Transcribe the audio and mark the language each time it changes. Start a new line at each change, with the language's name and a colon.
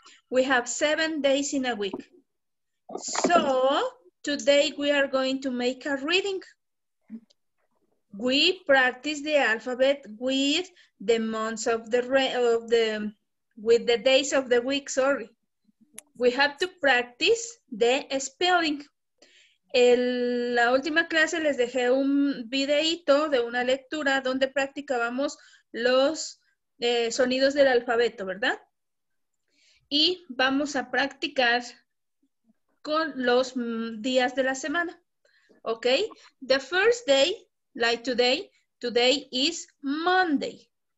English: We have 7 days in a week. So, today we are going to make a reading. We practice the alphabet with the months of the with the days of the week, sorry. We have to practice the spelling.
Spanish: En la última clase les dejé un videito de una lectura donde practicábamos los sonidos del alfabeto, ¿verdad? Y vamos a practicar con los días de la semana.
English: Okay? The first day, like today, today is Monday.